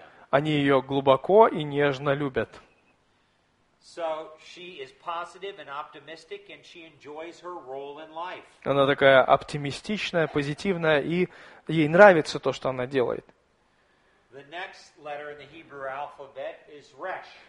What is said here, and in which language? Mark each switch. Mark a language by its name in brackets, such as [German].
[Russian] Они ее глубоко и нежно любят. [English] So she is positive and optimistic, and she enjoys her role in life. [Russian] Она такая оптимистичная, позитивная, и ей нравится то, что она делает. [English] The next letter in the Hebrew alphabet is Resh.